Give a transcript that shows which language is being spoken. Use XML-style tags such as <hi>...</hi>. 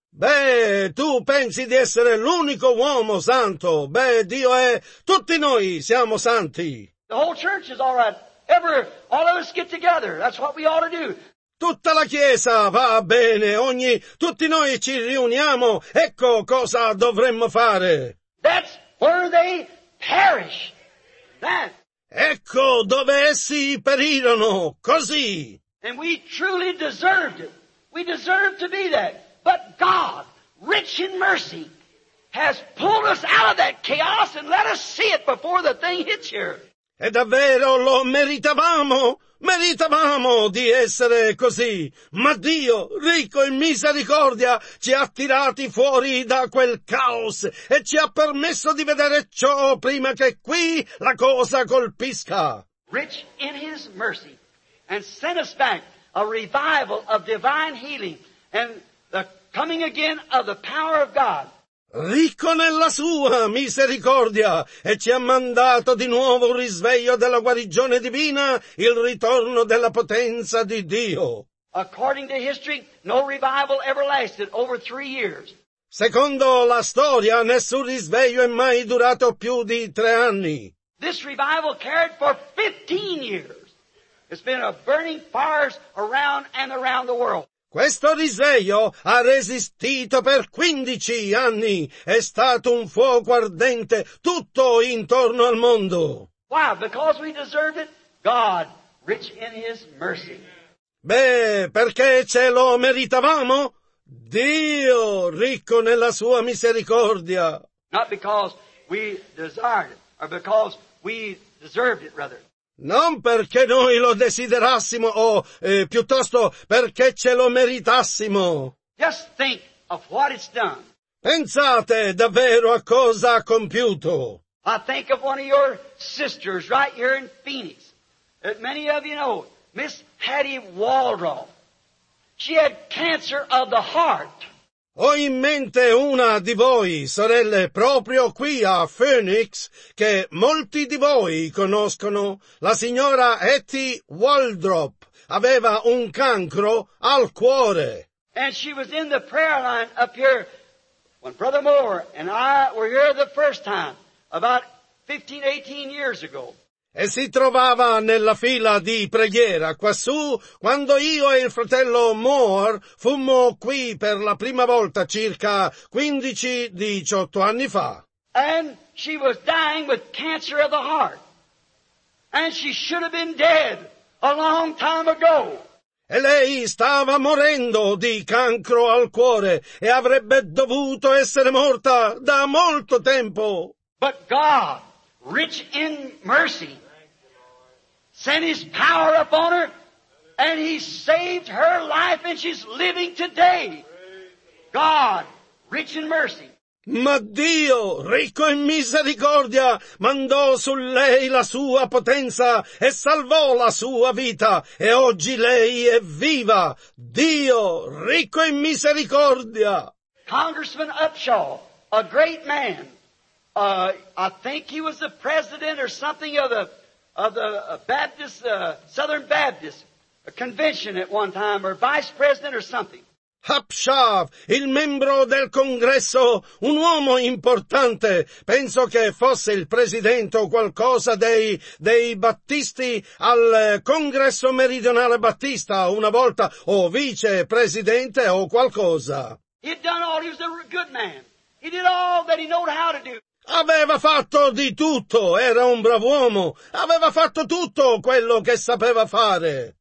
<it>Beh, tu pensi di essere l'unico uomo santo. Beh, Dio è, tutti noi siamo santi.</it> <en>The whole church is all right. All of us get together. That's what we ought to do.</en> <it>Tutta la chiesa va bene. Tutti noi ci riuniamo. Ecco cosa dovremmo fare.</it> <en>That's where they perish. That.</en> <it>Ecco dove essi perirono. Così.</it> <en>And we truly deserved it. We deserved to be that. But God, rich in mercy, has pulled us out of that chaos and let us see it before the thing hits here.</en> <it>E davvero lo meritavamo, di essere così. Ma Dio, ricco in misericordia, ci ha tirati fuori da quel caos e ci ha permesso di vedere ciò prima che qui la cosa colpisca.</it> <en>Rich in his mercy and sent us back a revival of divine healing and the coming again of the power of God.</en> <it>Ricco nella sua misericordia e ci ha mandato di nuovo un risveglio della guarigione divina, il ritorno della potenza di Dio.</it> <en>According to history, no revival ever lasted over 3 years.</en> <it>Secondo la storia, nessun risveglio è mai durato più di 3 anni.</it> <en>This revival carried for 15 years. It's been a burning fires around and around the world.</en> <it>Questo risveglio ha resistito per 15 anni. È stato un fuoco ardente tutto intorno al mondo.</it> <en>Why? Because we deserve it? God, rich in his mercy.</en> <it>Beh, perché ce lo meritavamo? Dio, ricco nella sua misericordia.</it> <en>Not because we desired it, or because we deserved it, rather.</en> <it>Non perché noi lo desiderassimo o piuttosto perché ce lo meritassimo.</it> <en>Just think of what it's done.</en> <it>Pensate davvero a cosa ha compiuto.</it> <en>I think of one of your sisters right here in Phoenix. That many of you know, Miss Hattie Waldrop. She had cancer of the heart.</en> <it>Ho in mente una di voi, sorelle, proprio qui a Phoenix, che molti di voi conoscono. La signora Etty Waldrop aveva un cancro al cuore.</it> <en>And she was in the prayer line up here when Brother Moore and I were here the first time, about 15-18 years ago.</en> <it>E si trovava nella fila di preghiera quassù quando io e il fratello Moore fummo qui per la prima volta circa 15-18 anni fa.</it> <en>And she was dying with cancer of the heart. And she should have been dead a long time ago.</en> <it>E lei stava morendo di cancro al cuore e avrebbe dovuto essere morta da molto tempo.</it> <en>But God, rich in mercy, sent his power upon her, and he saved her life, and she's living today. God, rich in mercy.</en> <it>Ma Dio, ricco in misericordia, mandò su lei la sua potenza e salvò la sua vita, e oggi lei è viva. Dio, ricco in misericordia.</it> <en>Congressman Upshaw, a great man. I think he was the president or something of the Baptist, Southern Baptist Convention at one time, or vice president or something.</en> <it>Hapshav, il membro del congresso, un uomo importante, penso che fosse il presidente o qualcosa dei battisti al congresso meridionale battista una volta, o vice presidente o qualcosa.</it> <en>He'd done all, he was a good man. He did all that he knew how to do.</en> <it>Aveva fatto di tutto, era un bravo uomo, aveva fatto tutto quello che sapeva fare.</it>